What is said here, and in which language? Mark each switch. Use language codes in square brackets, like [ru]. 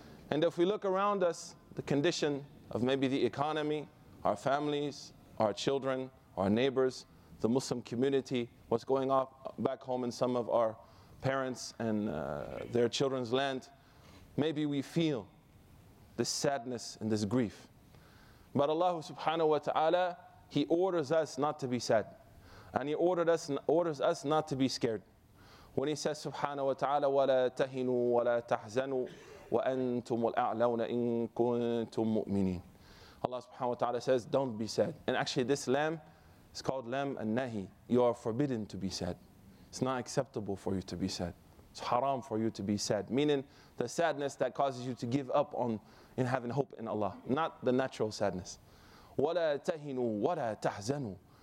[en] And if we look around us, the condition of maybe the economy, our families, our children, our neighbors, the Muslim community, what's going on back home in some of our parents and their children's land, maybe we feel this sadness and this grief. But Allah subhanahu wa ta'ala, He orders us not to be sad. And He orders us not to be scared. When He says [ar] subhanahu wa ta'ala, وَلَا تَهِنُوا وَلَا تَحْزَنُوا وَأَنْتُمُ الْأَعْلَوْنَ إِن كُنْتُمْ مُؤْمِنِينَ. [en] Allah subhanahu wa ta'ala says, don't be sad. And actually this lamb is called lamb al-nahi. You are forbidden to be sad. It's not acceptable for you to be sad. It's haram for you to be sad. Meaning the sadness that causes you to give up on in having hope in Allah. Not the natural sadness. [ar] وَلَا تَهِنُوا وَلَا تَحْزَنُوا.